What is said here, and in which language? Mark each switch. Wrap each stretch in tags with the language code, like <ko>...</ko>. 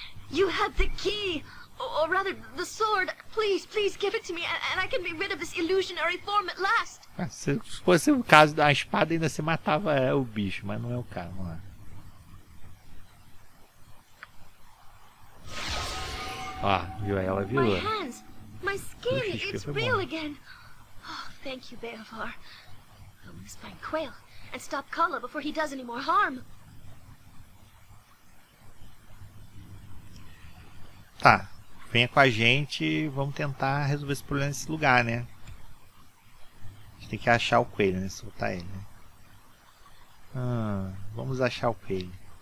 <en>You have the key, or rather the sword. Please give it to me and I can be rid of this illusionary form at last.</en> <pt>Se fosse o caso da espada, ainda se matava o bicho, mas não é o caso. Vamos lá. Ó, viu, ela viu.</pt> <en>My hands, my skin, it's real again. Oh, thank you, Beovar. I must find Quail and stop Kala before he does any more harm.</en> <pt>Tá, venha com a gente e vamos tentar resolver esse problema nesse lugar, né? A gente tem que achar o coelho, né? Soltar ele, né? Vamos achar o coelho.</pt>